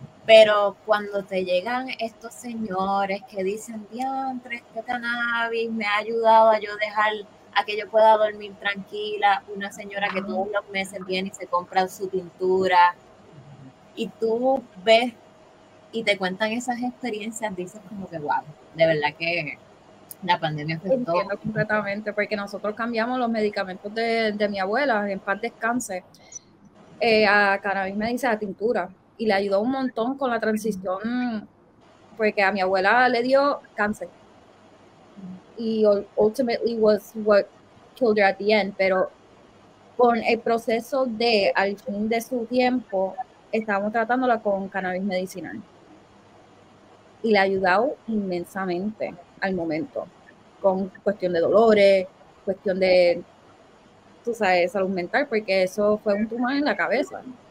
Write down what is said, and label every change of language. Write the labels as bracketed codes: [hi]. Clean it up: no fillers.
[es] Pero cuando te llegan estos señores que dicen, diantre, este cannabis me ha ayudado a yo dejar, a que yo pueda dormir tranquila, una señora que todos los meses viene y se compra su tintura, y tú ves y te cuentan esas experiencias, dices como que wow, de verdad que la pandemia afectó. Entiendo completamente, porque nosotros cambiamos los medicamentos de mi abuela, en paz descanse, a cannabis me dice a tintura. Y le ayudó un montón con la transición, porque a mi abuela le dio cáncer. [en] Y ultimately was what killed her at the end. [es] Pero con el proceso de, al fin de su tiempo, estábamos tratándola con cannabis medicinal. Y le ha ayudado inmensamente al momento. Con cuestión de dolores, cuestión de, tú sabes, salud mental, porque eso fue un tumor en la cabeza.